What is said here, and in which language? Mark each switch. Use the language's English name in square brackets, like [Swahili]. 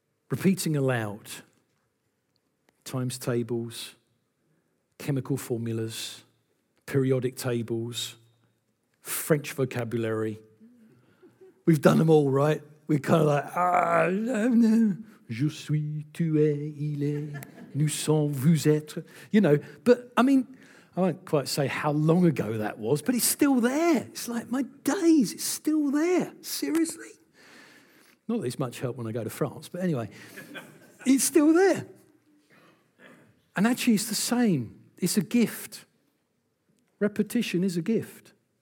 [English] Repeating aloud times tables, chemical formulas, periodic tables, French vocabulary. We've done them all, right? We're kind of like, [French] je suis, tu es, il est, nous sommes, vous êtes. [English] You know, but I mean, I won't quite say how long ago that was, but it's still there. It's like my days, it's still there. Seriously? Not that it's much help when I go to France, but anyway, it's still there. And actually, it's the same. It's a gift. Repetition is a gift.